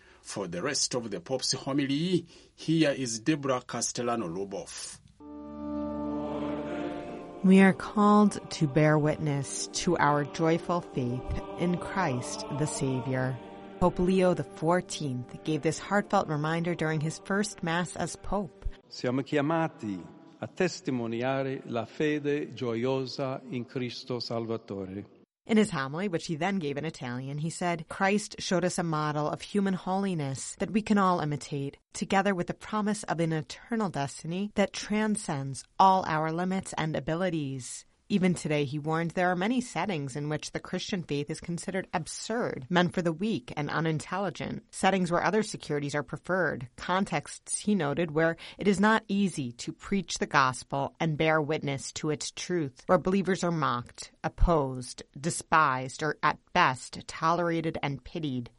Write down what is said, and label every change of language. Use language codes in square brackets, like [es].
[en] For the rest of the Pope's homily, here is Deborah Castellano-Luboff. We are called to bear witness to our joyful faith in Christ the Savior. Pope Leo XIV gave this heartfelt reminder during his first Mass as Pope. [it] Siamo chiamati a testimoniare la fede gioiosa in Cristo Salvatore. [en] In his homily, which he then gave in Italian, he said, Christ showed us a model of human holiness that we can all imitate, together with the promise of an eternal destiny that transcends all our limits and abilities. Even today, he warned, there are many settings in which the Christian faith is considered absurd, meant for the weak and unintelligent, settings where other securities are preferred, contexts, he noted, where it is not easy to preach the gospel and bear witness to its truth, where believers are mocked, opposed, despised, or at best tolerated and pitied.